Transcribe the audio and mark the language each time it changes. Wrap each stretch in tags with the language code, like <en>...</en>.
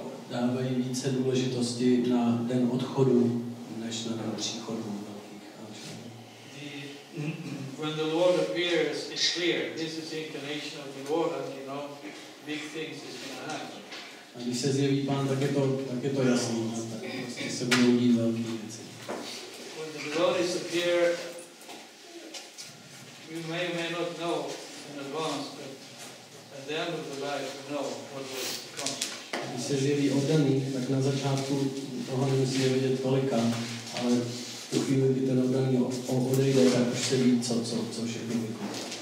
<cs>Dávají více důležitosti na den odchodu, než na den příchodu velkých ačů.</cs> <en>When the Lord appears, it's clear, this is the incarnation of the Lord, and you know, big things is going to happen.</en> <cs>A když se zjeví Pán, tak je to jasný, tak se budou dít velké věci.</cs> <en>When the Lord is appear, you may not know in advance, but at the end of the life, you know what will come.</en> <cs>Když se zjeví oddaný, tak na začátku toho nemusíte vědět tolika, ale tu chvíli, kdy ten oddaný odejde, tak už se ví, co všechno vykonává.</cs>